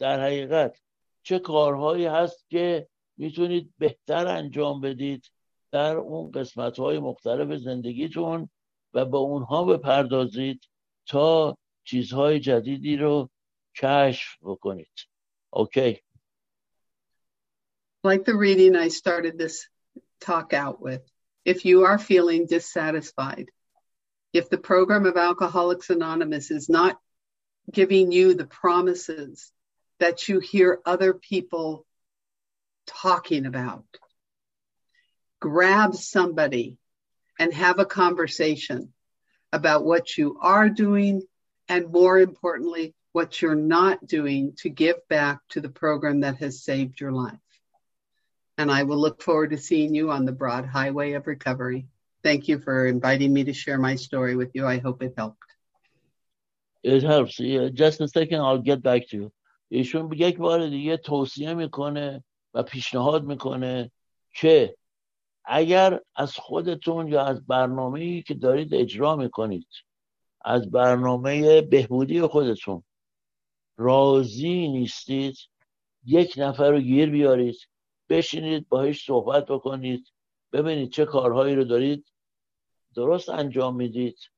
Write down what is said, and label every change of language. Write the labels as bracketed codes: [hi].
[fa] در حقیقت چه کارهایی هست که میتونید بهتر انجام بدید در اون قسمت‌های مختلف زندگیتون و به اونها بپردازید تا چیزهای جدیدی رو کشف بکنید. [en] Okay. Like the reading I started this talk out with, if you are feeling dissatisfied, if the program of Alcoholics Anonymous is not giving you the promises that you hear other people talking about, grab somebody and have a conversation about what you are doing and, more importantly, what you're not doing to give back to the program that has saved your life. And I will look forward to seeing you on the broad highway of recovery. Thank you for inviting me to share my story with you. I hope it helped. It helps. Yeah, just a second, I'll get back to you. [fa] ایشون یک بار دیگه توصیه میکنه و پیشنهاد میکنه که اگر از خودتون یا از برنامه‌ای که دارید اجرا میکنید، از برنامه بهبودی خودتون راضی نیستید، یک نفر رو گیر بیارید، بشینید باهاش صحبت بکنید، ببینید چه کارهایی رو دارید درست انجام میدید